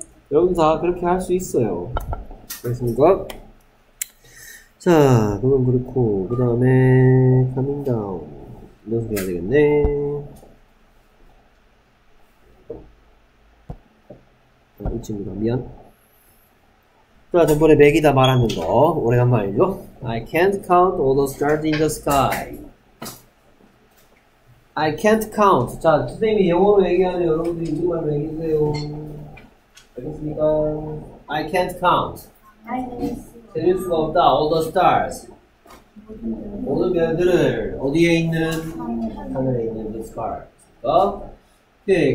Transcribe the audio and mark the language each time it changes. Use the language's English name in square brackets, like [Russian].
[Korean] 여러분 다 그렇게 할 수 있어요. 알겠습니까? 자, 그건 그렇고 그 다음에 커밍다운 이런 소리 해야 되겠네. 이 친구가 미안. 자, 전번에 맥이다 말하는 거 오래간만이죠. [English] I can't count all the stars in the sky. I can't count. [Korean] 자, 선생님이 영어로 얘기하는 여러분들 이거만 얘기해요. 알겠습니까? [English] I can't count. [Korean] 셀 수가 없다. [English] All the stars. [Korean] 모든 별들을 어디에 있는 하늘에 있는 the stars. 어? 오케이.